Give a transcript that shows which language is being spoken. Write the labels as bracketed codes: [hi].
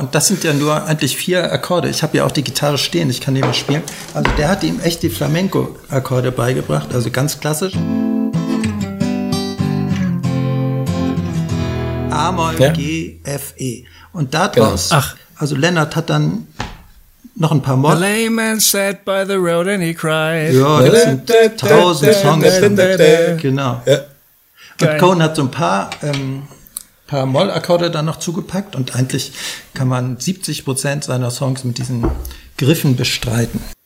[de] Und das sind ja nur eigentlich 4 Akkorde. Ich habe ja auch die Gitarre stehen, ich kann die mal spielen. Also der hat ihm echt die Flamenco-Akkorde beigebracht, also ganz klassisch. A-Moll, G, F, E. Und daraus, also Leonard hat dann noch ein paar Mod. [en] The layman sat by the road and he cried. [de] Ja, das sind 1000 Songs. Genau. Und Cohen hat so ein paar Moll-Akkorde dann noch zugepackt und eigentlich kann man 70% seiner Songs mit diesen Griffen bestreiten.